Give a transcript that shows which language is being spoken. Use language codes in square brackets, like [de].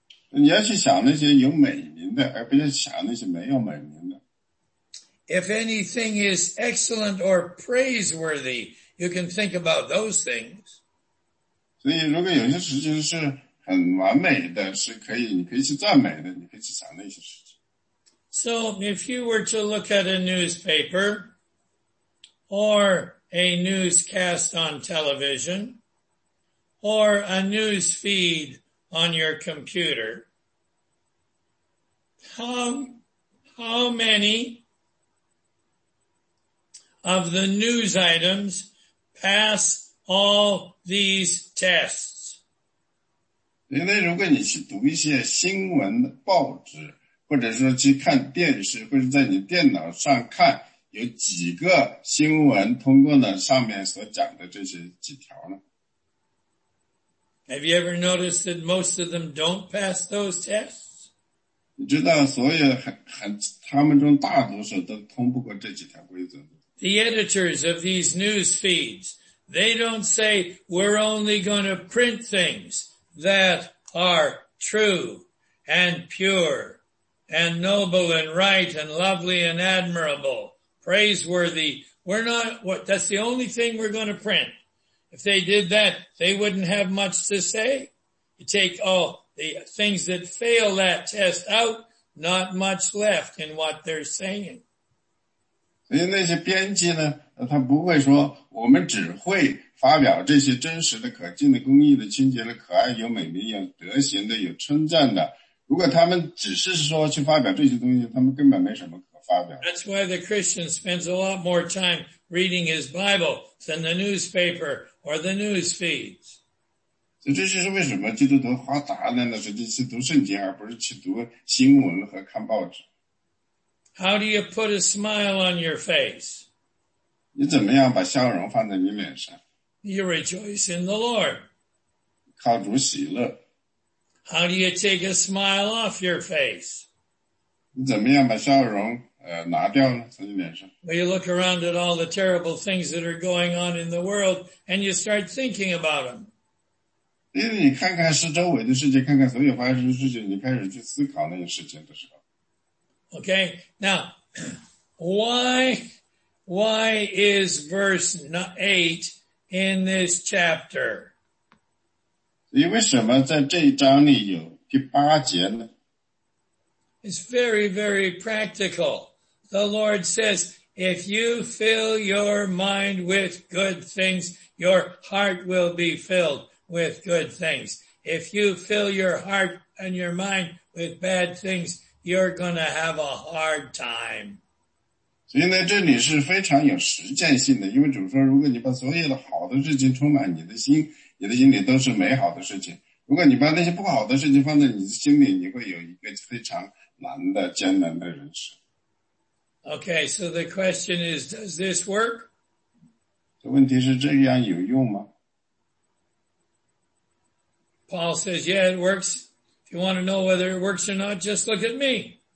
[zh] 你要去想那些有美名的，而不是想那些没有美名的。 [en] If anything is excellent or praiseworthy, you can think about those things. [zh] 所以如果有些事情是很完美的，是可以，你可以去赞美的，你可以去想那些事情。 [en] So if you were to look at a newspaper or a newscast on television or a news feed on your computer, how many of the news items pass all these tests? [zh] 因为如果你去读一些新闻报纸，或者说去看电视，或者在你电脑上看，有几个新闻通过了上面所讲的这些几条呢？ [en] Have you ever noticed that most of them don't pass those tests? [zh] 你知道所有他们中大多数都通不过这几条规则。 [en] The editors of these news feeds, they don't say, we're only going to print things that are true and pure and noble and right and lovely and admirable, praiseworthy. That's the only thing we're going to print. If they did that, they wouldn't have much to say. You take all the things that fail that test out, not much left in what they're saying. [zh] 所以那些编辑呢，他不会说我们只会发表这些真实的、可敬的、公益的、清洁的、可爱、有美名、有德行的、有称赞的。如果他们只是说去发表这些东西，他们根本没什么可发表。 [en] That's why the Christian spends a lot more time reading his Bible than the newspaper or the news feeds. [zh] 所以这就是为什么基督徒花大量的时间去读圣经，而不是去读新闻和看报纸。 [en] How do you put a smile on your face? [zh] 你怎么样把笑容放在你脸上? [en] You rejoice in the Lord. [zh] 靠主喜乐。 [en] How do you take a smile off your face? [zh] 你怎么样把笑容拿掉呢? 从你脸上。 [en] Well, you look around at all the terrible things that are going on in the world, and you start thinking about them. [zh] 因为你看看是周围的世界,看看所有发生的事情,你开始去思考那些事情的时候。 [en] Okay, now, why is verse 8 in this chapter? [zh] 你为什么在这一章里有第八节呢? [en] It's very, very practical. The Lord says, if you fill your mind with good things, your heart will be filled with good things. If you fill your heart and your mind with bad things, you're going to have a hard time. [zh] 所以呢，这里是非常有实践性的，因为主说，如果你把所有的好的事情充满你的心，你的心里都是美好的事情。如果你把那些不好的事情放在你的心里，你会有一个非常难的、艰难的人生。 [en] Okay, so the question is, does this work? [zh] 问题是这样有用吗？ [en] Paul says, yeah, it works. If you want to know whether it works or not, just look at me.